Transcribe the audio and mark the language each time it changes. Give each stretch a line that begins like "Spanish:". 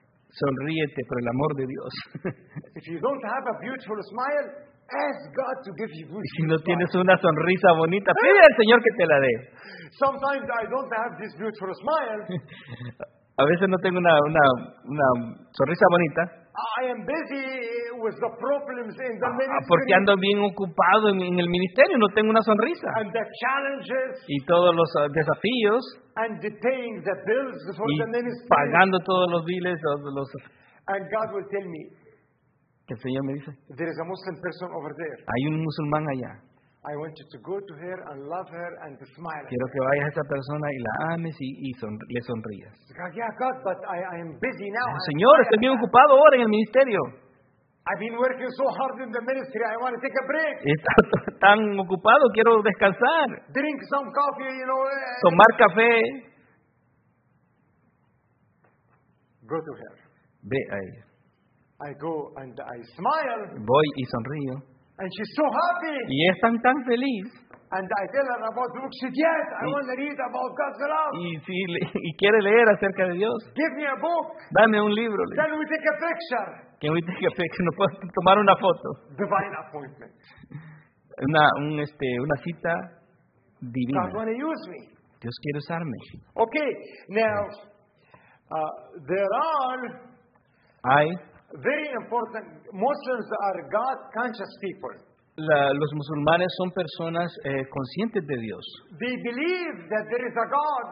Spanish: Sonríete por el amor de Dios.
English: If you don't have a beautiful smile, ask God to give you beautiful smile.
Spanish: Si no tienes una sonrisa bonita, pide al Señor que te la dé.
English: Sometimes I don't have this beautiful smile.
Spanish: A veces no tengo una sonrisa bonita.
English: I am busy with the problems in the ministry.
Spanish: Porque ando bien ocupado en el ministerio, no tengo una sonrisa.
English: And the challenges.
Spanish: Y todos los desafíos.
English: And the paying the bills for
Spanish: y
English: the ministry.
Spanish: Pagando todos los biles.
English: And God will tell me.
Spanish: Que el Señor me dice.
English: There is a Muslim person over there.
Spanish: Hay un musulmán allá.
English: I want you to go to her and love her and to smile.
Spanish: Quiero que vayas a esa persona y la ames y le sonrías.
English: God, yeah, God, but I am busy now.
Spanish: Señor, estoy bien ocupado ahora en el ministerio.
English: I've been working so hard in the ministry. I want to take a break.
Spanish: Está tan ocupado, quiero descansar.
English: Drink some coffee, you know.
Spanish: Tomar café.
English: Go to her.
Spanish: Ve a ella.
English: I go and I smile.
Spanish: Voy y sonrío.
English: And she's so happy.
Spanish: Y es tan feliz.
English: And I tell her about the book. She said, yes, I want to read about God's love.
Spanish: Y quiere leer acerca de Dios.
English: Give me a book.
Spanish: Dame un libro.
English: Can we take a picture? Can we take a picture?
Spanish: No puedo tomar una foto.
English: Divine appointment.
Spanish: Una cita divina.
English: God wants to use me.
Spanish: Dios quiere usarme.
English: Okay, now, there are...
Spanish: Hay...
English: Very important. Muslims are God-conscious people.
Spanish: Los musulmanes son personas conscientes de Dios.
English: They believe that there is a God.